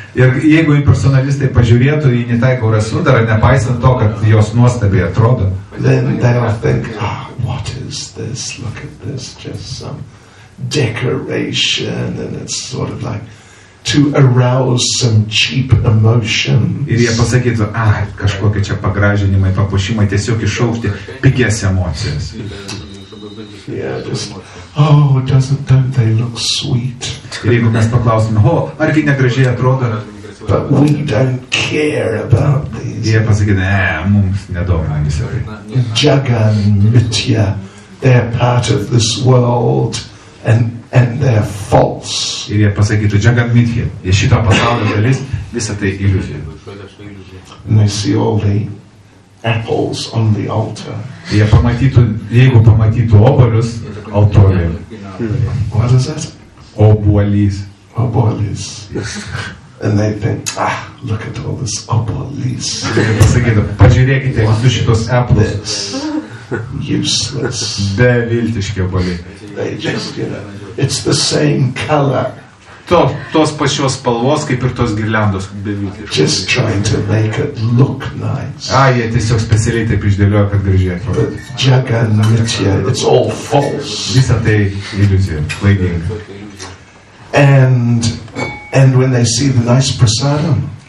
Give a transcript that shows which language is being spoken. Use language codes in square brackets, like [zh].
[lt] Ir jeigu impersonalistai pažiūrėtų į Nitai Gora Sundarą, nepaisant to, kad jos nuostabiai atrodo, [en] then they will think, ah, what is this? Look at this, just some decoration, and it's sort of like to arouse some cheap emotions. [lt] Ir jie pasakytų, ah, kažkokie čia pagražinimai, papuošimai, tiesiog iššaukti pigias emocijas. [en] Yeah, just, oh, don't they look sweet? [lt] Ir jeigu mes paklausim, o, argi negražiai atrodo? [en] But we don't care about these. [lt] Jie pasakytų, ne, mums nedomina visą tai. [en] Jagan, Mitya, they're part of this world, and they're false. [lt] Ir jie pasakytų, Jagan Mithya, jie šito pasaulio dalis, visa tai iliuzija. [en] And they see all the apples on the altar. [lt] Jie pamatytų, jeigu pamatytų obolius altorėje. [en] What is that? [lt] Obolys. Obolys. [en] And they think, ah, look at all this obolys. [lt] Ir jie pasakytų, pažiūrėkite visus šitos apples. [en] This. Useless. [lt] Beviltiški obolys. [en] They just, you know, it's the same color. [lt] Tos pačios spalvos, kaip ir tos girliandos. [en] Just trying to make it look nice. [lt] Ai, jie tiesiog specialiai taip išdėliojo, kad gražiai atrodo. [en] But Jagannitya, it's all false. [lt] Visa tai iliuzija, klaidinga. [en] And when they see the nice prasadam.